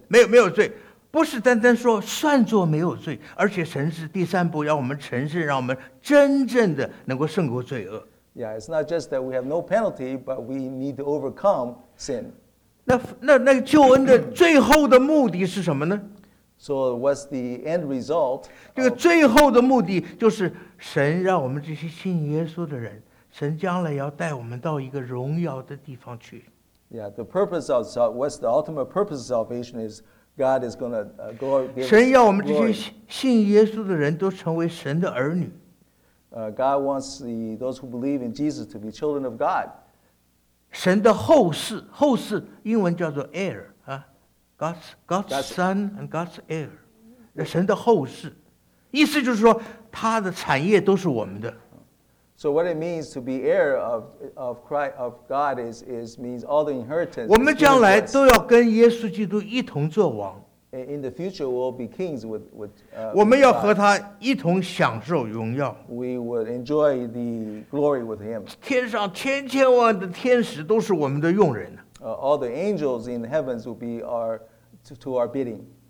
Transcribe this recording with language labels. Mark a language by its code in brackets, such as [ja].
[zh] 没有罪，不是单单说算作没有罪，而且神是第三步，让我们诚实，让我们真正的能够胜过罪恶。 [en] Yeah, it's not just that we have no penalty, but we need to overcome sin. [zh] 那救恩的最后的目的是什么呢 [en] ？So what's the end result? [zh] 这个最后的目的就是神让我们这些信耶稣的人，神将来要带我们到一个荣耀的地方去。 [en] Yeah, the purpose of what's the ultimate purpose of salvation is God is going to go. [zh] 神要我们这些信耶稣的人都成为神的儿女。 [en] God wants those who believe in Jesus to be children of God. [zh] 神的后世英文叫做 heir, [en] God's son and God's heir, [zh] 神的后世意思就是说他的产业都是我们的。 [en] So what it means to be heir of Christ, of God is means all the inheritance. [zh] 我们将来都要跟耶稣基督一同作王。 [en] In the future, we'll be kings with [zh] 我们要和他一同享受荣耀。 [en] We will enjoy the glory with him. [zh] 天上千千万的天使都是我们的用人。 [en] All the angels in the heavens will be to our bidding.